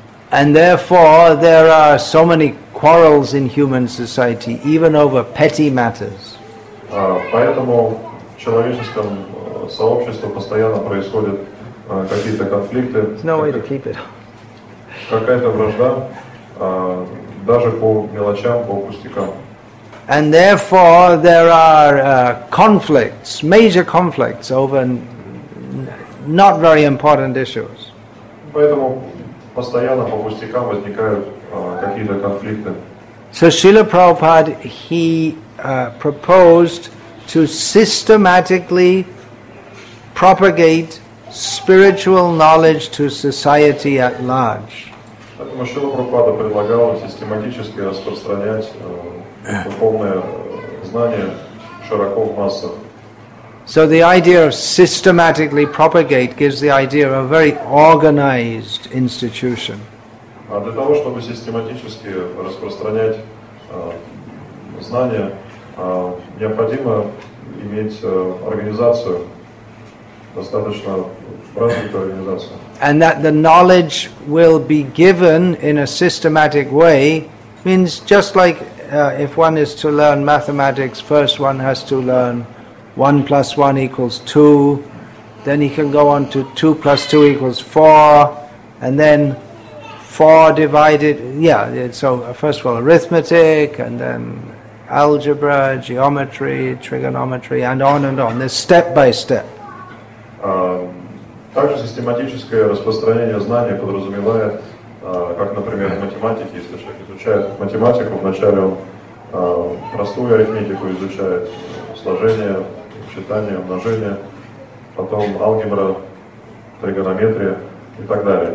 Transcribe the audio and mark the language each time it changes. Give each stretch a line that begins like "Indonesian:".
English: And therefore there are so many quarrels in human society, even over petty matters.
Russian: Поэтому в человеческом сообществе постоянно происходят какие-то конфликты.
English: No way to keep it.
Russian: Какая-то вражда, даже по мелочам, по пустякам.
English: And therefore there are conflicts, major conflicts over not very important issues.
Russian: Поэтому постоянно по пустякам возникают какие-то конфликты.
English: So Srila Prabhupada, he proposed to systematically propagate spiritual knowledge to society at large.
Russian: Поэтому Шрила Прабхупада предлагал систематически распространять духовное знание широко в массах.
English: So the idea of systematically propagate gives the idea of a very organized institution.
Russian: А для того, чтобы систематически распространять знания, необходимо иметь организацию, достаточно развитую организацию.
English: And that the knowledge will be given in a systematic way means just like if one is to learn mathematics, first one has to learn 1 plus 1 equals 2, then he can go on to 2 plus 2 equals 4, and then 4 divided, so first of all arithmetic, and then algebra, geometry, trigonometry, and on, this step by step.
Russian: Также систематическое распространение знания подразумевает, как, например, в математике, если человек изучает математику, вначале он простую арифметику изучает, сложение, считание, умножение, потом алгебра, тригонометрия и так далее.